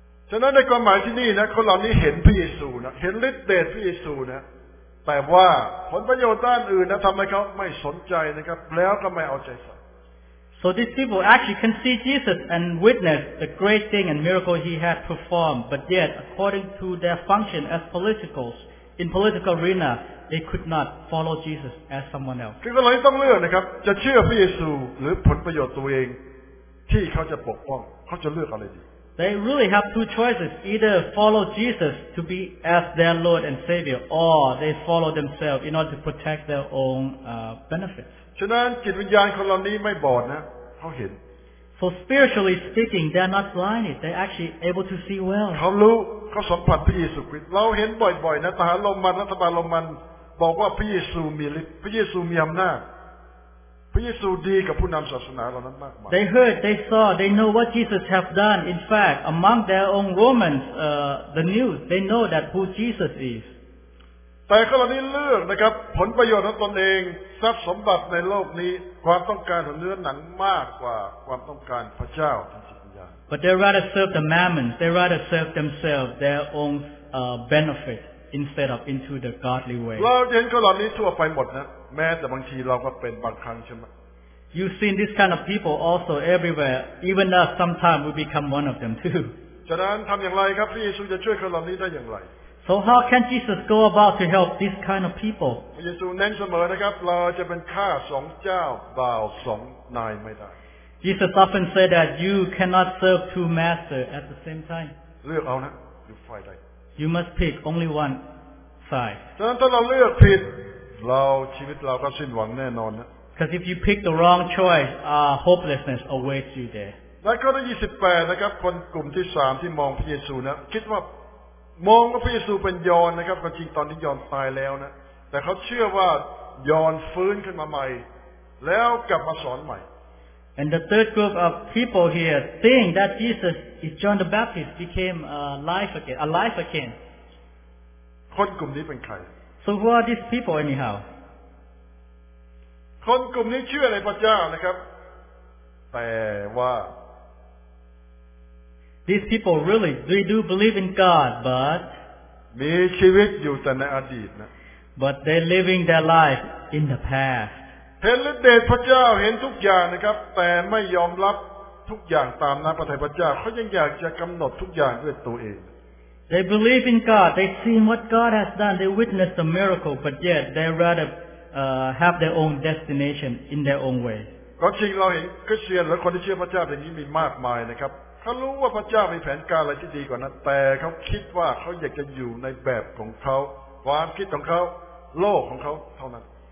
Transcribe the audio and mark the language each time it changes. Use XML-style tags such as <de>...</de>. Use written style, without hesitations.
<th>ฉะนั้นในความหมายที่นี่นะคนเหล่านี้เห็นพระเยซูนะเห็นฤทธิ์เดชพระเยซูนะแต่ว่าผลประโยชน์ด้านอื่นนะทำให้เขาไม่สนใจนะครับแล้วก็ไม่เอาใจใส่</th> <en>So these people actually can see Jesus and witness the great thing and miracle he had performed, but yet, according to their function as politicals, in political arena, they could not follow Jesus as someone else.</en> <th>คือเราต้องเลือกนะครับจะเชื่อพระเยซูหรือผลประโยชน์ตัวเองที่เขาจะปกป้องเขาจะเลือกอะไรดี</th> <en>They really have two choices. Either follow Jesus to be as their Lord and Savior, or they follow themselves in order to protect their own benefits.</en> <th>ฉะนั้นจิตวิญญาณคนเหล่านี้ไม่บอดนะเขาเห็น</th> <en>So spiritually speaking, they're not blind. They're actually able to see well.</en> <th>เขารู้เขาสัมผัสพระเยซูคริสต์เราเห็นบ่อยๆนะทหารโรมันรัฐบาลโรมันบอกว่าพระเยซูมีฤทธิ์พระเยซูมีอำนาจพระเยซูดีกับผู้นำศาสนาเหล่านั้นมากมาย</th> <en>They heard, they saw, they know what Jesus have done. In fact, among their own Romans, the news, they know that who Jesus is.</en> <th>แต่คนเหล่านี้เลือกนะครับผลประโยชน์ของตนเองทรัพย์สมบัติในโลกนี้ความต้องการของเนื้อหนังมากกว่าความต้องการพระเจ้าทางจิตวิญญาณ</th> <en>But they rather serve the mammon. They rather serve themselves, their own benefit instead of into the godly way.</en> <th>เราเห็นคนเหล่านี้ทั่วไปหมดนะแม้แต่บางทีเราก็เป็นบางครั้งใช่ไหม</th> <en>You've seen this kind of people also everywhere. Even us, sometimes we become one of them too.</en> <th>ฉะนั้นทำอย่างไรครับพระเยซูจะช่วยคนเหล่านี้ได้อย่างไร</th> <en>So how can Jesus go about to help this kind of people?</en> <th>พระเยซูเน้นเสมอนะครับเราจะเป็นข้าสองเจ้าบ่าวสองนายไม่ได้</th> <en>Jesus often said that you cannot serve two masters at the same time.</en> <th>เลือกเอานะ</th> <en>You fight it. You must pick only one side.</en> <th>ฉะนั้นถ้าเราเลือกผิดเราชีวิตเราก็สิ้นหวังแน่นอนนะ</th> <en>Because if you pick the wrong choice, hopelessness awaits you there.</en> <th>และข้อที่28นะครับคนกลุ่มที่3ที่มองพระเยซูนะคิดว่ามองว่าพระเยซูเป็นยอนนะครับจริงตอนที่ยอนตายแล้วนะแต่เขาเชื่อว่ายอนฟื้นขึ้นมาใหม่แล้วกลับมาสอนใหม่</th> <en>And the third group of people here think that Jesus is John the Baptist became alive again, alive again.</en> <th>คนกลุ่มนี้เป็นใคร</th> <en>So who are these people anyhow?</en> <th>คนกลุ่มนี้เชื่อในพระเจ้านะครับแต่ว่า</th> <en>These people really they do believe in God but</en> <th>มีชีวิตอยู่แต่ในอดีตนะ</th> <en>But they're living their life in the past</en> <th>เห็นฤทธิ์เดชพระเจ้าเห็นทุกอย่างนะครับแต่ไม่ยอมรับทุกอย่างตามน้ำพระทัยพระเจ้าเขายังอยากจะกำหนดทุกอย่างด้วยตัวเอง</th> <en>They believe in God. They've seen what God has done. They witnessed the miracle, but yet they rather have their own destination in their own way.</en> <th>ก็จริงเราเห็นคริสเตียนหรือคนที่เชื่อพระเจ้าอย่างนี้มีมากมายนะครับเขารู้ว่าพระเจ้ามีแผนการอะไรที่ดีกว่านั้นแต่เขาคิดว่าเขาอยากจะอยู่ในแบบของเขาความคิดของเขาโลกของเขาเท่านั้น</th>